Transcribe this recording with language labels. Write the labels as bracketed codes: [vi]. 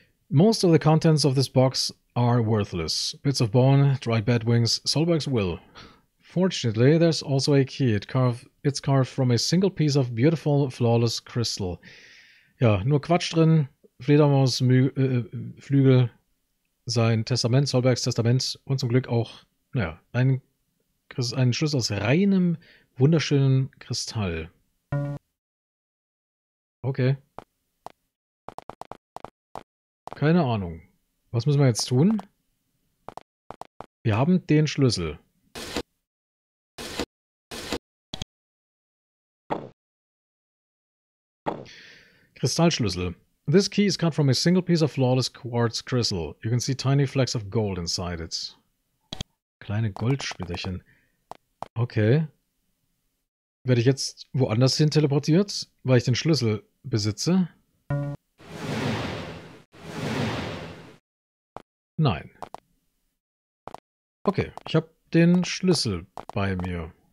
[en] Most of the contents of this box are worthless. Bits of bone, dried bat wings, Solberg's will. Fortunately, there's also a key. It's carved from a single piece of beautiful, flawless crystal. [de] Ja, nur Quatsch drin. Fledermaus, Flügel, sein Testament, Solbergs Testament und zum Glück auch, naja, ein Schlüssel aus reinem, wunderschönen Kristall. Okay. Keine Ahnung. Was müssen wir jetzt tun? Wir haben den Schlüssel. Kristallschlüssel. [en] This key is cut from a single piece of flawless quartz crystal. You can see tiny flecks of gold inside it. [de] Kleine Goldsplitterchen. Okay. Werde ich jetzt woanders hin teleportiert, weil ich den Schlüssel besitze? Nein. Okay, ich habe den Schlüssel bei mir.